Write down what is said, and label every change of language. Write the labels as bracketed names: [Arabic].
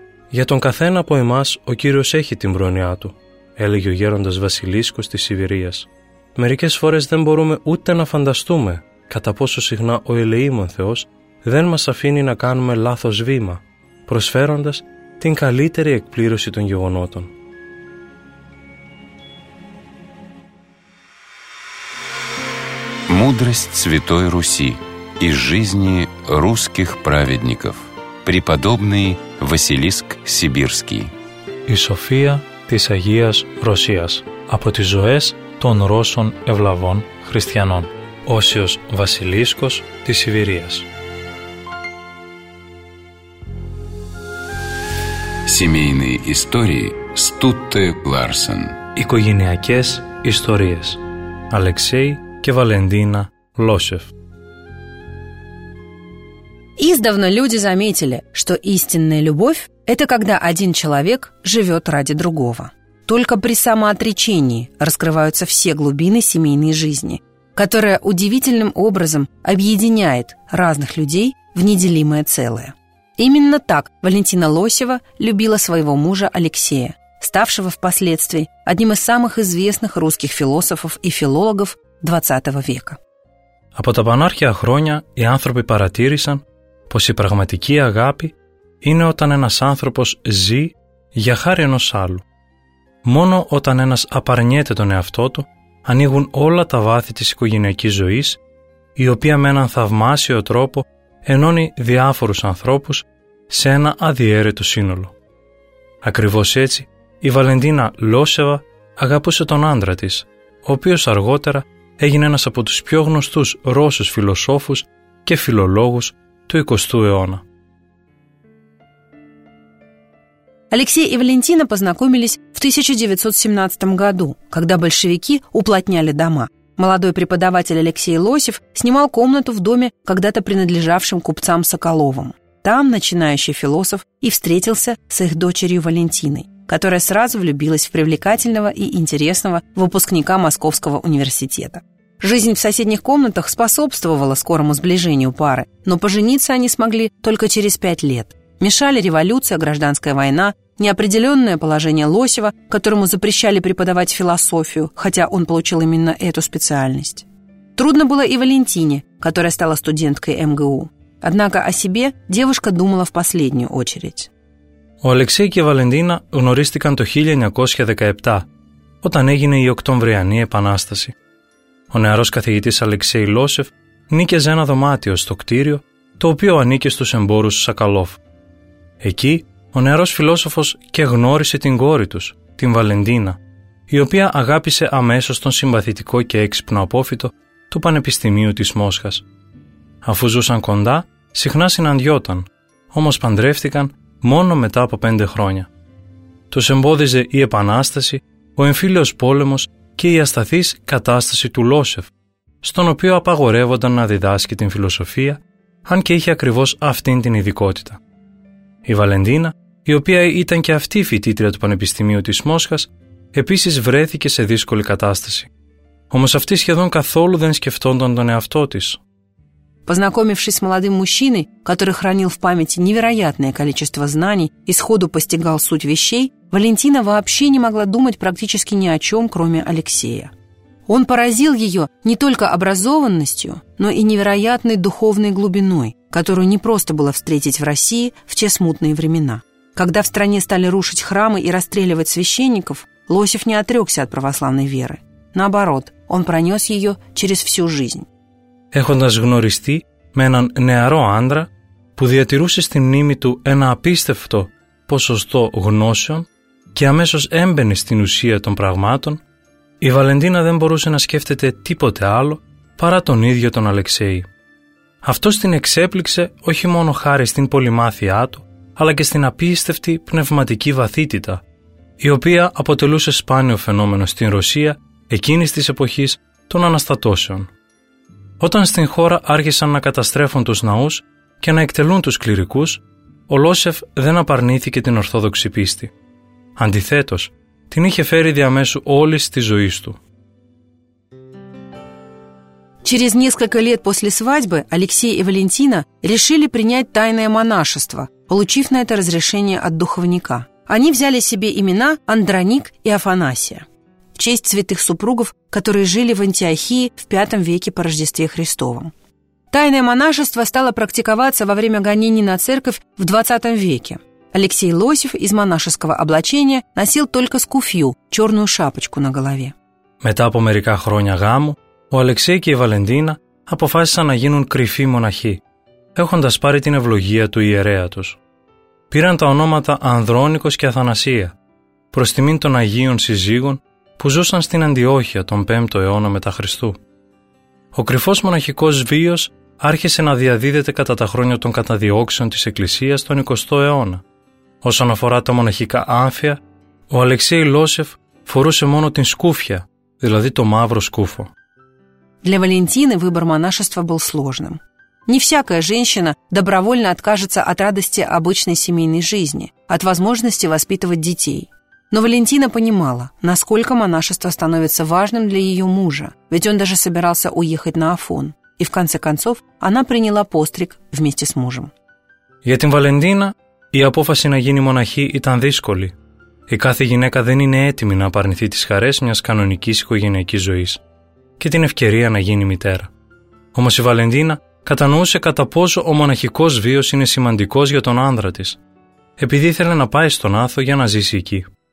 [Greek] «Για τον καθένα από εμάς ο Κύριος έχει την προνοιά του», έλεγε ο γέροντας Βασιλίσκος της Σιβηρίας. «Μερικές φορές δεν μπορούμε ούτε να φανταστούμε κατά πόσο συχνά ο ελεήμων Θεός δεν μας αφήνει να κάνουμε λάθος βήμα, προσφέροντας την καλύτερη εκπλήρωση των γεγονότων». [Russian] Мудрость Святой Руси из жизни русских праведников. Преподобный Василиск Сибирский. [Greek] И София της Агίας Ρωσίας. Από τις ζωές των Ρώσων ευλαβών χριστιανών. Όσιος Βασιλίσκος της Σιβηρίας. [Russian] Семейные истории Стутте Ларсен. [Greek] Οικογενειακές ιστορίες. Алексей και Валентина Лосев. [Russian] Издавна люди заметили, что истинная любовь – это когда один человек живет ради другого. Только при самоотречении раскрываются все глубины семейной жизни, которая удивительным образом объединяет разных людей в неделимое целое. Именно так Валентина Лосева любила своего мужа Алексея, ставшего впоследствии одним из самых известных русских философов и филологов XX века. [Greek] Από τα πανάρχια χρόνια οι άνθρωποι παρατήρησαν πως η πραγματική αγάπη είναι όταν ένας άνθρωπος ζει για χάρη ενός άλλου. Μόνο όταν ένας απαρνιέται τον εαυτό του ανοίγουν όλα τα βάθη της οικογενειακής ζωής, η οποία με έναν θαυμάσιο τρόπο ενώνει διάφορους ανθρώπους σε ένα αδιαίρετο σύνολο. Ακριβώς έτσι, η Βαλεντίνα Λόσεβα αγαπούσε τον άντρα της, ο οποίος αργότερα έγινε ένας από τους πιο γνωστούς Ρώσους φιλοσόφους και φιλολόγους του 20ου αιώνα. [Russian] Алексей и Валентина познакомились в 1917 году, когда большевики уплотняли дома. Молодой преподаватель Алексей Лосев снимал комнату в доме, когда-то принадлежавшем купцам Соколовым. Там начинающий философ и встретился с их дочерью Валентиной, которая сразу влюбилась в привлекательного и интересного выпускника Московского университета. Жизнь в соседних комнатах способствовала скорому сближению пары, но пожениться они смогли только через 5 лет. Мешали революция, гражданская война, неопределенное положение Лосева, которому запрещали преподавать философию, хотя он получил именно эту специальность. Трудно было и Валентине, которая стала студенткой МГУ. Однако о себе девушка думала в последнюю очередь. [Greek] Ο Αλεξέη και η Βαλεντίνα γνωρίστηκαν το 1917, όταν έγινε η Οκτωβριανή Επανάσταση. Ο νεαρός καθηγητής Αλεξέη Λόσεφ νίκιαζε ένα δωμάτιο στο κτίριο, το οποίο ανήκε στους εμπόρους Σακαλόφ. Εκεί, ο νεαρός φιλόσοφος και γνώρισε την κόρη τους, την Βαλεντίνα, η οποία αγάπησε αμέσως τον συμπαθητικό και έξυπνο απόφοιτο του Πανεπιστημίου της Μόσχας. Αφού ζούσαν κοντά, συχνά συναντιόταν, όμως παντρεύτηκαν μόνο μετά από 5 χρόνια. Τους εμπόδιζε η Επανάσταση, ο εμφύλιος πόλεμος και η ασταθής κατάσταση του Λόσεφ, στον οποίο απαγορεύονταν να διδάσκει την φιλοσοφία, αν και είχε ακριβώς αυτήν την ειδικότητα. Η Βαλεντίνα, η οποία ήταν και αυτή φοιτήτρια του Πανεπιστημίου της Μόσχας, επίσης βρέθηκε σε δύσκολη κατάσταση. Όμως αυτή σχεδόν καθόλου δεν σκεφτόταν τον εαυτό της. [Russian] Познакомившись с молодым мужчиной, который хранил в памяти невероятное количество знаний и сходу постигал суть вещей, Валентина вообще не могла думать практически ни о чем, кроме Алексея. Он поразил ее не только образованностью, но и невероятной духовной глубиной, которую непросто было встретить в России в те смутные времена. Когда в стране стали рушить храмы и расстреливать священников, Лосев не отрекся от православной веры. Наоборот, он пронес ее через всю жизнь. [Greek] Έχοντας γνωριστεί με έναν νεαρό άντρα που διατηρούσε στη μνήμη του ένα απίστευτο ποσοστό γνώσεων και αμέσως έμπαινε στην ουσία των πραγμάτων, η Βαλεντίνα δεν μπορούσε να σκέφτεται τίποτε άλλο παρά τον ίδιο τον Αλεξέη. Αυτός την εξέπληξε όχι μόνο χάρη στην πολυμάθειά του, αλλά και στην απίστευτη πνευματική βαθύτητα, η οποία αποτελούσε σπάνιο φαινόμενο στην Ρωσία εκείνης της εποχής των Αναστατώσεων. Όταν στην χώρα άρχισαν να καταστρέφουν τους ναούς και να εκτελούν τους κληρικούς, ο Λόσεφ δεν απαρνήθηκε την ορθόδοξη πίστη. Αντιθέτως, την είχε φέρει διαμέσου όλης της ζωής του. [Russian] Через несколько лет после свадьбы Алексей и Валентина решили принять тайное монашество, получив на это разрешение от духовника. Они взяли себе имена Андроник и Афанасия в честь святых супругов, которые жили в Антиохии в V веке по Рождестве Христовом. Тайное монашество стало практиковаться во время гонений на церковь в XX веке. Алексей Лосев из монашеского облачения носил только скуфью, черную шапочку на голове. [Greek] Мета по мерика хроня гаму, ο Αλεξέη και η Βαλεντίνα αποφάσισαν να γίνουν κρυφοί μοναχοί, έχοντας πάρει την ευλογία του ιερέα τους. Πήραν τα ονόματα Ανδρόνικος και Αθανασία, προς τιμήν των Αγίων Συζύγων που ζούσαν στην Αντιόχεια τον 5ο αιώνα μετά Χριστού. Ο κρυφός μοναχικός βίος άρχισε να διαδίδεται κατά τα χρόνια των καταδιώξεων της Εκκλησίας τον 20ο αιώνα. Όσον αφορά τα μοναχικά άμφια, ο Αλεξέη Λόσεφ φορούσε μόνο την σκούφια, δηλαδή το μαύρο σκούφο. [Russian] Для Валентины выбор монашества был сложным. Не всякая женщина добровольно откажется от радости обычной семейной жизни, от возможности воспитывать детей. Но Валентина понимала, насколько монашество становится важным для ее мужа, ведь он даже собирался уехать на Афон. И в конце концов она приняла постриг вместе с мужем. Для [Greek] την Валентина η απόφαση να γίνει μοναχή ήταν δύσκολη. Η κάθε γυναίκα δεν είναι έτοιμη να απαρνηθεί τις χαρές μιας κανονικής οικογενειακής ζωής και την ευκαιρία να γίνει μητέρα. Όμως η Βαλεντίνα κατανοούσε κατά πόσο ο μοναχικός βίος είναι σημαντικός για τον άνδρα της, επειδή ήθελε να πάει στον Άθο για να ζήσει εκεί.